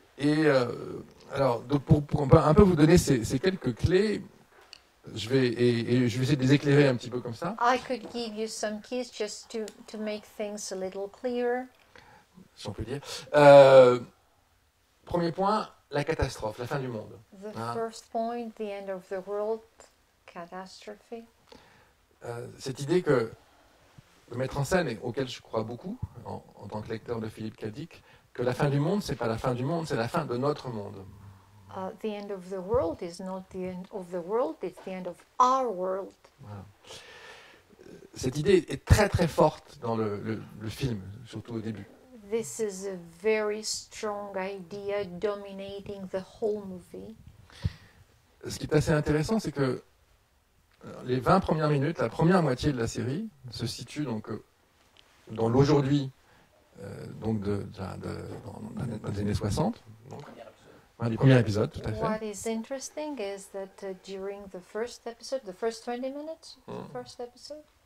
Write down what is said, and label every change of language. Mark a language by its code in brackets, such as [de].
[fr] Et alors, pour un peu vous donner ces quelques clés, je vais essayer de les éclairer un petit peu comme ça. [en] I could give you some keys just to make things a little clearer. [fr] Si on peut dire. Premier point. La catastrophe, la fin du monde. [en] First point, the end of the world, catastrophe. [fr] Cette idée que le maître en scène, et auquel je crois beaucoup, en tant que lecteur de Philip K. Dick, que la fin du monde, c'est pas la fin du monde, c'est la fin de notre monde. [en] The end of the world is not the end of the world, it's the end of our world. [fr] Voilà. Cette idée est très très forte dans le film, surtout au début. [en] This is a very strong idea dominating the whole movie. [fr] Ce qui est assez intéressant, c'est que les 20 premières minutes, la première moitié de la série, se situe donc dans l'aujourd'hui, donc dans les années 60. Donc, du premier épisode, tout à fait. [en] What is interesting is that during the first episode, the first 20 minutes, the first episode.